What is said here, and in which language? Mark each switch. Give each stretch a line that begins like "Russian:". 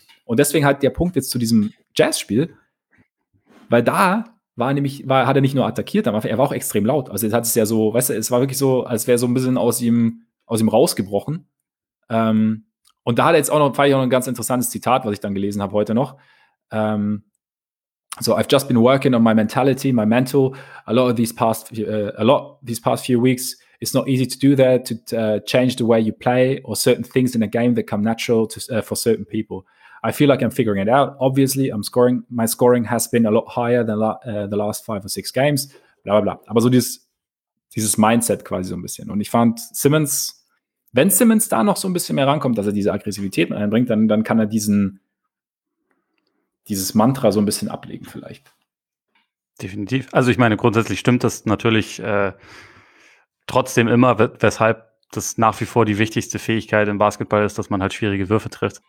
German: Und deswegen halt der Punkt jetzt zu diesem Jazz-Spiel, weil da hat er nicht nur attackiert, er war auch extrem laut. Also jetzt hat es ja so, weißt du, es war wirklich so, als wäre so ein bisschen aus ihm rausgebrochen. Und da hat er jetzt auch noch, fand ich auch noch ein ganz interessantes Zitat, was ich dann gelesen habe heute noch.
English: So, I've just been working on my mentality, my mental, a lot these past few weeks. It's not easy to do that, to change the way you play or certain things in a game that come natural to for certain people. I feel like I'm figuring it out. Obviously, my scoring has been a lot higher than the last 5 or 6 games. Bla bla bla.
German: Aber so dieses Mindset quasi so ein bisschen. Und ich fand Simmons, wenn Simmons da noch so ein bisschen mehr rankommt, dass er diese Aggressivität mit einbringt, dann kann er dieses Mantra so ein bisschen ablegen vielleicht. Definitiv. Also ich meine, grundsätzlich stimmt das natürlich trotzdem immer, weshalb das nach wie vor die wichtigste Fähigkeit im Basketball ist, dass man halt schwierige Würfe trifft.